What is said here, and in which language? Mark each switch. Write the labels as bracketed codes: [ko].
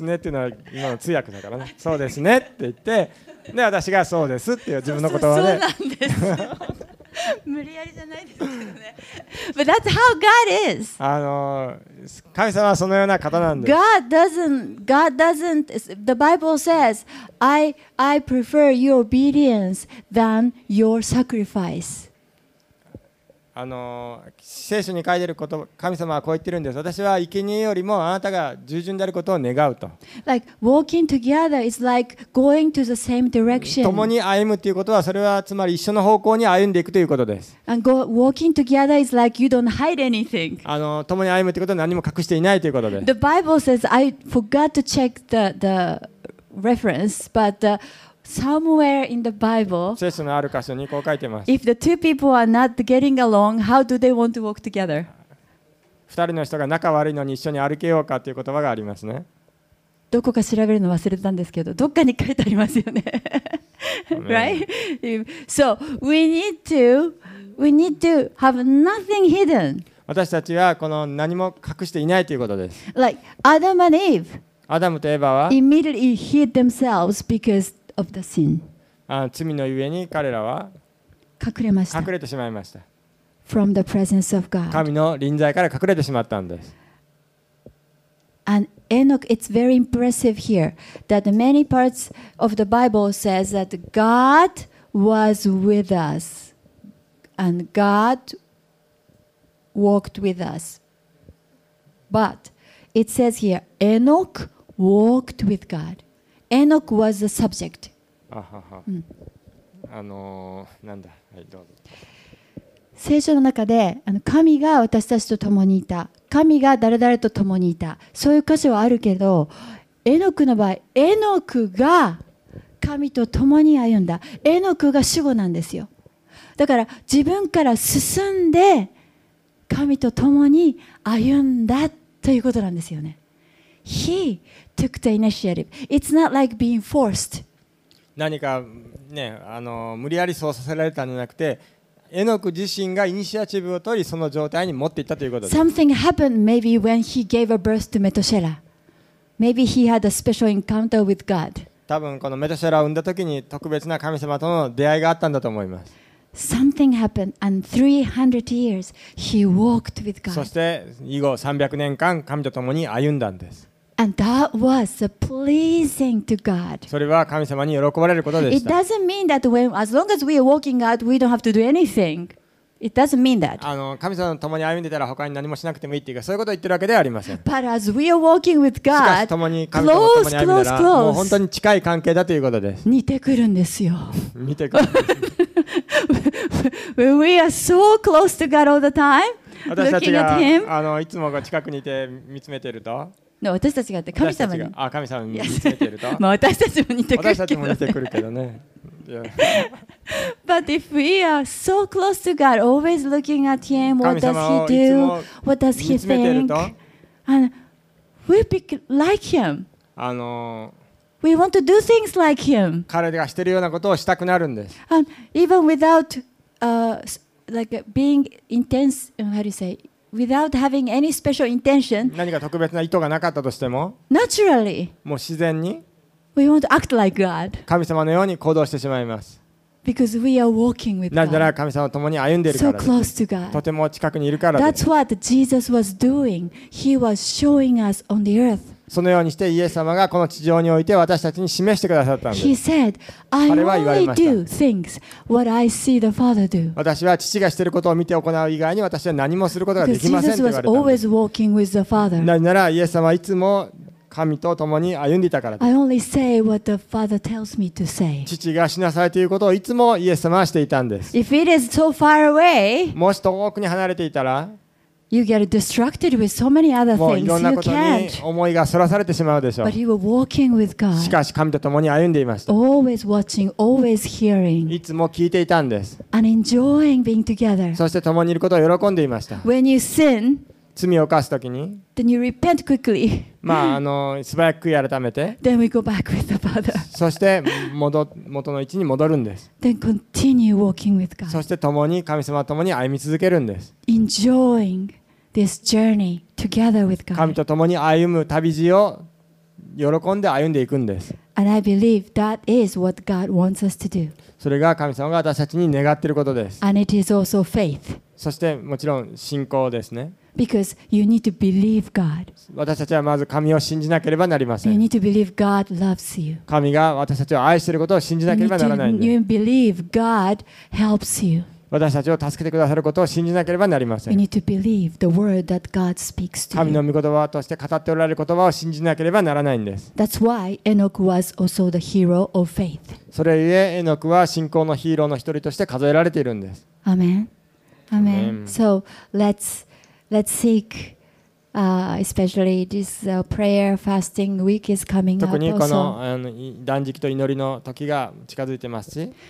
[ja] ね。っていうのは今の通訳だからね。そうですねって言って、で私がそうですっていう自分の言葉で。そうなんですよ。無理やりじゃないですけどね。 [en] But that's how God is. [ja] 神様はそのような方なんです。 [en] God doesn't. The Bible says, I prefer your obedience than your sacrifice. [ja] 聖書に書いてること、神様はこう言ってるんです。私は生贄よりもあなたが従順であることを願うと。 [en] Like walking together is like going to the same direction. [ja] 共に歩むということは、それはつまり一緒の方向に歩んでいくということです。 [en] And go walking together is like you don't hide anything. [ja] 共に歩むということは何も隠していないということです。 [en] The Bible says I forgot to check the reference, but somewhere in the Bible, [ja] 聖書のある箇所にこう書いてます。 [en] If the two people are not getting along, how do they want to walk together? [ja] 二人の人が仲悪いのに一緒に歩けようかという言葉がありますね。どこか調べるの忘れたんですけど、どっかに書いてありますよね。 [en] right? So we need to have nothing hidden. [ja] 私たちはこの何も隠していないということです。 [en] Like Adam and Eve. [ja] アダムとエヴァは [en] immediately hid themselves because of the sin. [ja] 罪のゆえに彼らは隠れました。隠れてしまいました。 [en] From the presence of God. [ja] 神の臨在から隠れてしまったんです。 [en] And Enoch, it's very impressive here that many parts of the Bible says that God was with us and God walked with us. But it says here, Enoch walked with God. Enoch was the subject. [ja] はい、どうぞ。聖書の中で神が私たちと共にいた、神が誰々と共にいた、そういう箇所はあるけど、エノクの場合、エノクが神と共に歩んだ、エノクが主語なんですよ。だから自分から進んで神と共に歩んだということなんですよね。 [en] He took the initiative. It's not like being forced. [ja] 何かね、無理やりそうさせられたんじゃなくて、エノク自身がイニシアチブを取り、その状態に持っていったということです。 [en] Something happened maybe when he gave a birth to Metushela. Maybe he had a special encounter with God. [ja] 多分このメトシェラを産んだ時に特別な神様との出会いがあったんだと思います。 [en] Something happened, and 300 years he walked with God. [ja] そして以後300年間神と共に歩んだんです。 [en] And that was a pleasing to God. [ja] それは神様に喜ばれることでした。 [en] It doesn't mean that when as long as we are walking God, we don't have to do anything. It doesn't mean that. [ja] 神様と共に歩んでたら他に何もしなくてもいいっていうか、そういうことを言ってるわけではありません。 [en] But as we are walking with God, [ja] しかし共に神様と共に歩んでたら、もう本当に近い関係だということです。似てくるんですよ。似てくる。 [en] When we are so close to God all the time, looking at Him, [ja] いつも近くにいて見つめてると、の私たちがって神様に、あ、神様に見つめてると、私たちも似てくるけどね。私たちも似てくるけどね。 [en] But if we are so close to God, always looking at Him, what does He do? What does He think? And we be like Him. We want to do things like him. [ja] 彼がしてるようなことをしたくなるんです。 [en] And even without, like being intense, how do you say, without having any special intention. [ja] 何か特別な意図がなかったとしても。 [en] Naturally. [ja] もう自然に。 [en] We want to act like God. [ja] 神様のように行動してしまいます。 [en] Because we are walking with God. [ja] なぜなら神様と共に歩んでいるからです。 [en] So close to God. [ja] とても近くにいるからです。 [en] That's what Jesus was doing. He was showing us on the earth. [ja] そのようにしてイエス様がこの地上において私たちに示してくださったんです。 [en] He said, I only do things what I see the Father do. [ja] 私は父がしていることを見て行う以外に私は何もすることができませんと言われた。 [en] Because Jesus was always walking with the Father. [ja] なぜならイエス様はいつも神と共に歩んでいたからです。 [en] I only say what the Father tells me to say. [ja] 父がしなさいということをいつもイエス様はしていたんです。 [en] If it is so far away, [ja] もし遠くに離れていたら、 [en] You get distracted with so many other things. [ja] もういろんなことに思いがそらされてしまうでしょう。 [en] But you were walking with God. [ja] しかし神と共に歩んでいました。 [en] Always watching, always hearing. [ja] いつも聞いていたんです。 [en] And enjoying being together. [ja] そして共にいることを喜んでいました。 [en] When you sin, [ja] 罪を犯すときに、 [en] then you repent quickly. [ja] まあ素早く改めて、 [en] then we go back with the Father. [ja] そして元の位置に戻るんです。 [en] Then continue walking with God. [ja] そして共に神様と共に歩み続けるんです。 [en] Enjoying. This journey together with God. [ja] 神と共に歩む旅路を喜んで歩んでいくんです。 [en] And I believe that is what God wants us to do. [ja] それが神様が私たちに願っていることです。 [en] And it is also faith. [ja] そしてもちろん信仰ですね。 [en] Because you need to believe God. [ja] 私たちはまず神を信じなければなりません。 [en] You need to believe God loves you. [ja] 神が私たちを愛していることを信じなければならないんです。 [en] You need to believe God helps you. [ja] 私たちを助けてくださることを信じなければなりません。 [en] You need to believe the word that God speaks to you. [ja] 神の御言葉として語っておられる言葉を信じなければならないんです。 [en] That's why Enoch was also the hero of faith. [ja] それゆえ、エノクは信仰のヒーローの一人として数えられているんです。 [en] Amen. Amen. So let's seek, especially this prayer fasting week is coming up also. [ja] 特にこの断食と祈りの時が近づいてますし。